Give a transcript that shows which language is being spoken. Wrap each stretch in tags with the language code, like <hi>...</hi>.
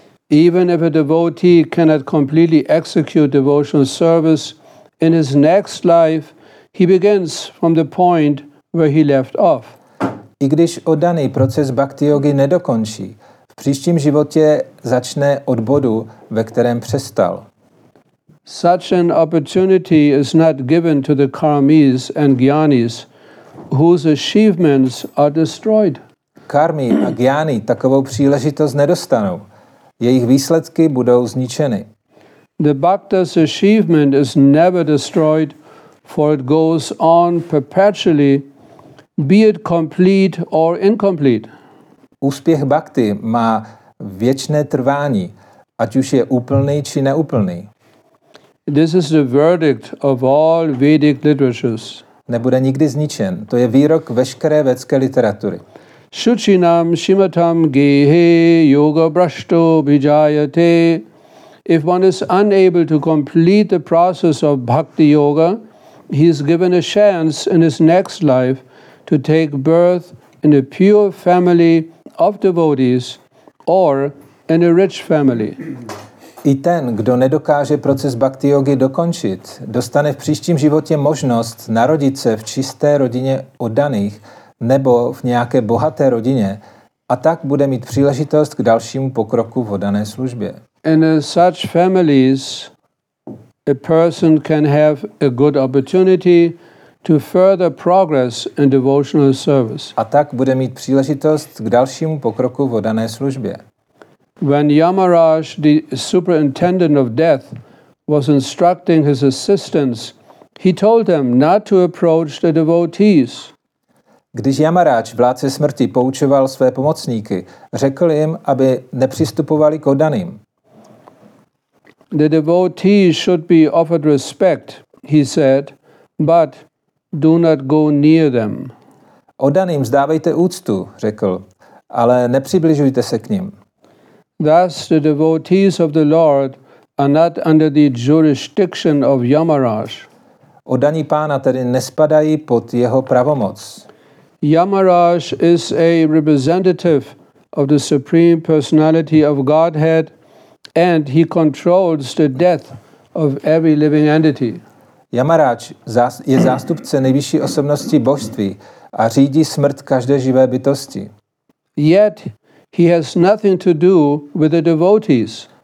<en>Even if a devotee cannot completely execute devotional service in his next life, he begins from the point where he left off.</en> <cs>I když oddaný proces bhakti yogi nedokončí, v příštím životě začne od bodu, ve kterém přestal.</cs> <en>Such an opportunity is not given to the karmis and jnanis, whose achievements are destroyed.</en> <cs>Karmi a jnani takovou příležitost nedostanou. Jejich výsledky budou zničeny.</cs> <en>The bhakta's achievement is never destroyed, for it goes on perpetually, be it complete or incomplete.</en> <cs>Úspěch bhakti má věčné trvání, ať už je úplný či neúplný.</cs> <en>This is the verdict of all Vedic literatures.</en> <cs>Nebude nikdy zničen. To je výrok veškeré vedské literatury.</cs> <sa>Shuchinam shimatam gehe yoga brashto vijayate.</sa> <en>If one is unable to complete the process of bhakti yoga, he is given a chance in his next life to take birth in a pure family of devotees or in a rich family.</en> <cs>I ten, kdo nedokáže proces bhakti yogi dokončit, dostane v příštím životě možnost narodit se v čisté rodině oddaných nebo v nějaké bohaté rodině a tak bude mít příležitost k dalšímu pokroku v oddané službě.</cs> <en>In such families, a person can have a good opportunity to further progress in devotional service.</en> <cs>A tak bude mít příležitost k dalšímu pokroku v oddané službě.</cs> <en>When Yamaraj, the superintendent of death, was instructing his assistants, he told them not to approach the devotees.</en> <cs>Když Yamaraj, vládce smrti, poučoval své pomocníky, řekl jim, aby nepřistupovali k oddaným.</cs> <en>The devotees should be offered respect, he said, but do not go near them.</en> <cs>Oddaným vzdávejte úctu, řekl, ale nepřibližujte se k ním.</cs> <en>Thus the devotees of the Lord are not under the jurisdiction of Yamaraj.</en> <cs>Oddaní pána tedy nespadají pod jeho pravomoc.</cs> <en>Yamaraj is a representative of the Supreme Personality of Godhead and he controls the death of every living entity.</en> <cs>Yamaraj je zástupce nejvyšší osobnosti božství a řídí smrt každé živé bytosti.</cs> <en>Yet he has nothing to do with the devotees.</en>